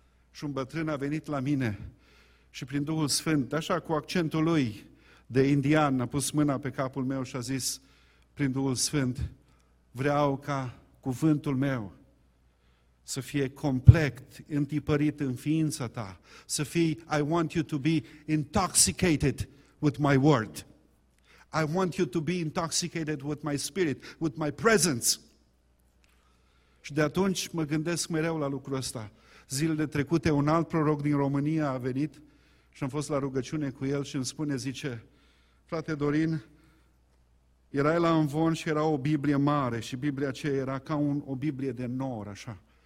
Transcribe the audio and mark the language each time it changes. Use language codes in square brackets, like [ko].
[ro] Și un bătrân a venit la mine și prin Duhul Sfânt, așa cu accentul lui, de indian, a pus mâna pe capul meu și a zis prin Duhul Sfânt, vreau ca cuvântul meu să fie complet întipărit în ființa ta, să fie, [en] I want you to be intoxicated with my word. I want you to be intoxicated with my spirit, with my presence. [ro] Și de atunci mă gândesc mereu la lucrul ăsta. Zilele trecute un alt proroc din România a venit și am fost la rugăciune cu el și îmi spune, zice, frate Dorin, erai la amvon și era o Biblie mare și Biblia aceea era ca o Biblie de nor, așa.